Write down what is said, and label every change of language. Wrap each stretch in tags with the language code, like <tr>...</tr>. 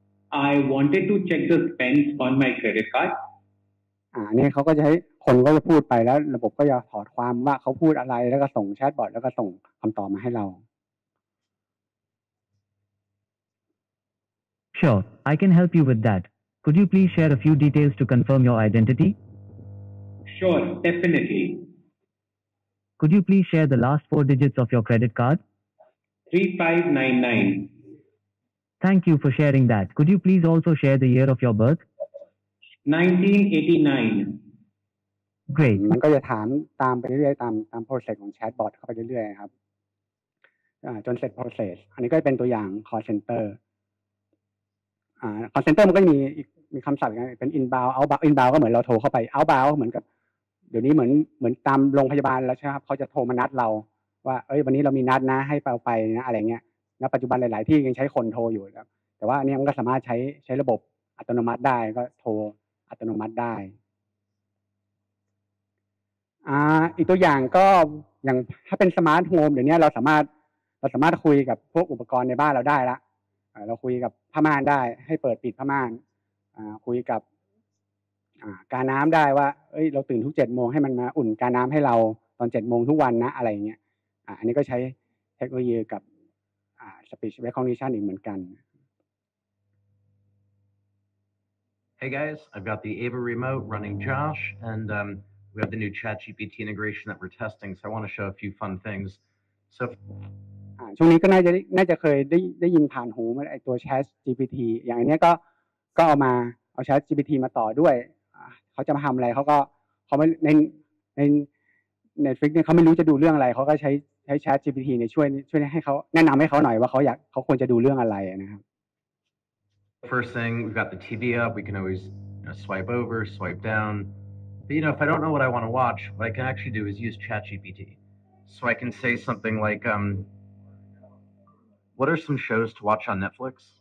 <en>I wanted to check the spends on my credit card.</en> <th>นี่เขาก็จะให้คนก็จะพูดไปแล้วระบบก็จะถอดความว่าเขาพูดอะไรแล้วก็ส่งแชทบอทแล้วก็ส่งคำตอบมาให้เรา</th> <en>Sure, I can help you with that. Could you please share a few details to confirm your identity? Sure, definitely. Could you please share the last four digits of your credit card? 3599. Thank you for sharing that. Could you please also share the year of your birth? 1989. Great.</en> <th>มันก็จะถามตามไปเรื่อยๆตาม process ของ chatbot เข้าไปเรื่อยๆครับจนเสร็จ process อันนี้ก็เป็นตัวอย่าง call center call center มันก็มีคำศัพท์อย่างเป็น inbound ก็เหมือนเราโทรเข้าไป outbound ก็เหมือนกับเดี๋ยวนี้เหมือนตามโรงพยาบาลแล้วใช่ไหมครับเขาจะโทรมานัดเราว่าเอ้ยวันนี้เรามีนัดนะให้ไปนะอะไรเงี้ยณปัจจุบันหลายๆที่ยังใช้คนโทรอยู่แล้วแต่ว่าอันนี้มันก็สามารถใช้ระบบอัตโนมัติได้ก็โทรอัตโนมัติได้ อีกตัวอย่างก็อย่างถ้าเป็นสมาร์ทโฮมเดี๋ยวนี้เราสามารถคุยกับพวกอุปกรณ์ในบ้านเราได้ละเราคุยกับผ้าม่านได้ให้เปิดปิดผ้าม่านคุยกับการน้ำได้ว่าเอ้ยเราตื่นทุก7โมงให้มันมาอุ่นการน้ำให้เราตอน7โมงทุกวันนะอะไรเงี้ยอันนี้ก็ใช้เทคโนโลยีกับspeech recognition อีกเหมือนกัน</th> <en>Hey guys, I've got the Ava remote running Josh and we have the new ChatGPT integration that we're testing so I want to show a few fun things so</en> <th>ช่วงนี้ก็น่าจะเคยได้ยินผ่านหูไอ้ตัว ChatGPT อย่างอันนี้ก็เอาแชท GPT มาต่อด้วยเขาจะมาทำอะไรเขาไม่ใน Netflix เนี่ยเขาไม่รู้จะดูเรื่องอะไรเขาก็ใช้แชท GPT เนี่ยช่วยให้เขาแนะนำให้เขาหน่อยว่าเขาควรจะดูเรื่องอะไรนะครับ</th> <en>First thing we've got the TV up we can always you know, swipe over swipe down but you know if I don't know what I want to watch what I can actually do is use chat GPT so I can say something like what are some shows to watch on Netflix</en>